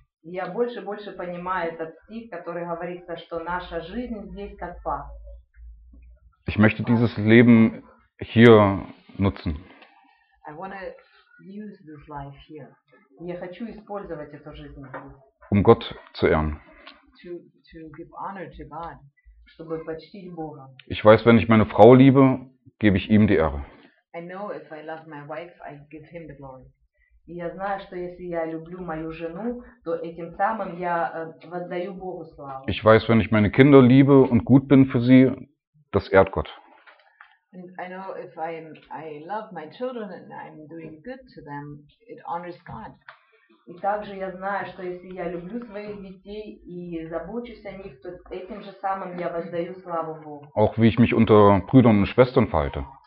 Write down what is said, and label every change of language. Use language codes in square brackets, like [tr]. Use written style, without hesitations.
[ru] Я больше и больше понимаю этот стих, который говорится, что наша жизнь здесь как пах. [de] Ich möchte dieses Leben hier nutzen. [en] I want to use this life here. [ru] Я хочу использовать эту жизнь. [de] Um Gott zu ehren. [en] To give honor to God. [ru] Чтобы почтить Бога. [de] Ich weiß, wenn ich meine Frau liebe, gebe ich ihm die Ehre. [en] I know if I love my wife, I give him the glory. [ru] И я знаю, что если я люблю мою жену, то этим самым я воздаю Богу славу. [de] Ich weiß, wenn ich meine Kinder liebe und gut bin für sie, das ehrt Gott. [en] And I know if I love my children and I'm doing good to them, it honors God. [ru] И также я знаю, что если я люблю своих детей и забочусь о них, то этим же самым я воздаю славу Богу. [de] Auch wie ich mich unter Brüdern und Schwestern verhalte.